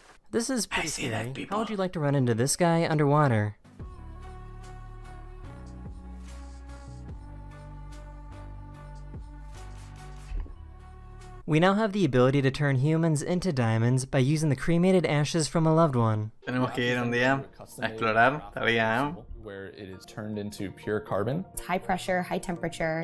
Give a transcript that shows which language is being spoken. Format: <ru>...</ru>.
<en>This is pretty scary. I see that, people. How would you like to run into this guy underwater? We now have the ability to turn humans into diamonds by using the cremated ashes from a loved one.</en> <es>Tenemos que ir un día a explorar, todavía.</es> <en>Where it is turned into pure carbon. It's high pressure, high temperature.</en>